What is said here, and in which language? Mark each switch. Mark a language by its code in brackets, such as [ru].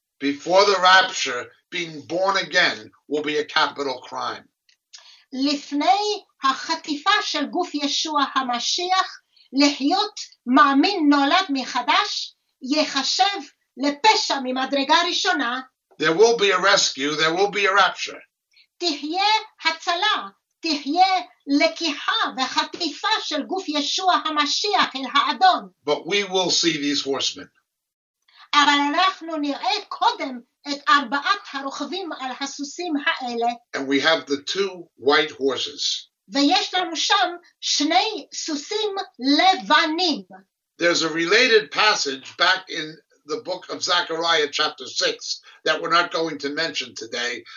[en] Before the rapture, being born again will be a capital crime. [he] לפני החטיפה של גוף ישוע המשיח, להיות מאמין נולד מחדש יחשב לפשע ממדרגה ראשונה. [en] There will be a rescue, there will be a rapture. [he] תהיה הצלה, תהיה לקיחה וחטיפה של גוף ישוע המשיח אל האדון. [en] But we will see these horsemen. [he] אבל אנחנו נראה קודם את ארבעת הרוכבים על הסוסים האלה. [en] And we have the two white horses. [he] ויש לנו שם שני סוסים לבנים. [en] There's a related passage back in the book of Zechariah chapter 6 that we're not going to mention today.